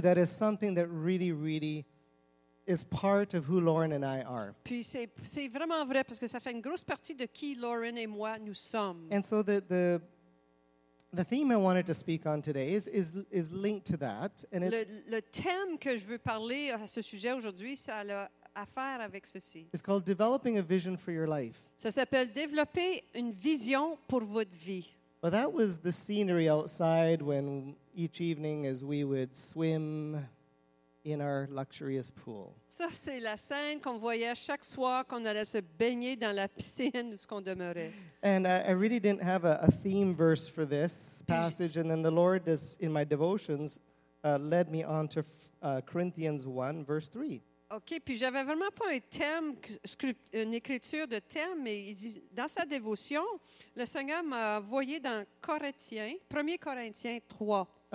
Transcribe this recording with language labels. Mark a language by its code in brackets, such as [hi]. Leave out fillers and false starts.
[en] That is something that really, really is part of who Lauren and I are. [fr] Puis c'est vraiment vrai parce que ça fait une grosse partie de qui Lauren et moi nous sommes. [en] And so the theme I wanted to speak on today is linked to that. And it's [fr] le thème que je veux parler à ce sujet aujourd'hui, ça a à faire avec ceci. [en] It's called developing a vision for your life. [fr] Ça s'appelle développer une vision pour votre vie. [en] Well, that was the scenery outside when each evening as we would swim in our luxurious pool. [fr] Ça, c'est la scène qu'on voyait chaque soir qu'on allait se baigner dans la piscine où ce qu'on demeurait. [en] And I really didn't have a theme verse for this passage. And then the Lord, is, in my devotions, led me on to Corinthians 1, verse 3. [fr] OK, puis j'avais vraiment pas un thème, une écriture de thème, mais il dit, dans sa dévotion, le Seigneur m'a envoyé dans Corinthiens, 1 Corinthiens 3.